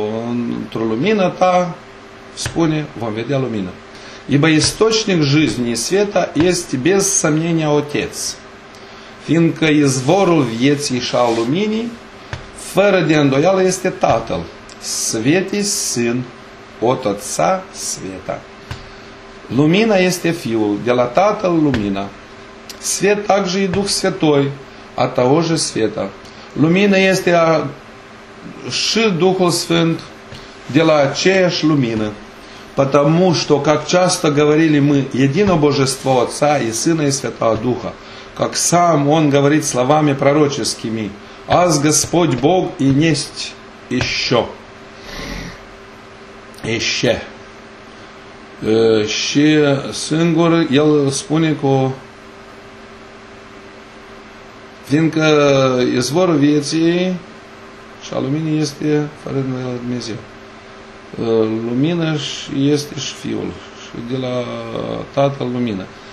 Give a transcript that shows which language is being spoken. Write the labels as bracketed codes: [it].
[ro] Într-o lumină ta, spune, vom vedea lumină. [ru] Ибо источник жизни и света есть без сомнения Отец. [ro] Fiindcă izvorul vieții și al luminii, fără de îndoială, este Tatăl. [ru] Свет и Сын. От Отца света. [ro] Lumina este Fiul, de la Tatăl lumina. [ru] Свет также и Дух Святой, от того же света. [ro] Lumina este și Духul Sfânt, de la aceeași lumină. [ru] Потому что, как часто говорили мы, едино Божество Отца и Сына и Святого Духа, как сам Он говорит словами пророческими, «Аз Господь Бог и несть еще». Еще. [ro] Și singur el spune că fiindcă izvorul vieții și a luminii este fără Dumnezeu. Lumina este și Fiul. Și de la Tatăl lumină.